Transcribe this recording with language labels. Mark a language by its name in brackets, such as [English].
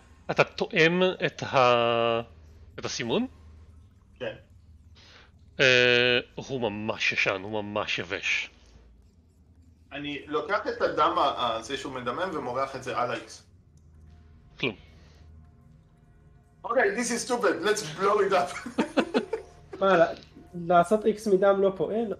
[Hebrew] אתה תואם את הסימון? כן. הוא ממש ישן, הוא ממש יבש. אני לוקח את הדם הזה שהוא מדמם ומורח את זה על האיקס. כלום. [English] אוקיי, this is stupid, let's blow it up. [Hebrew] מה, לעשות איקס מדם לא פועל?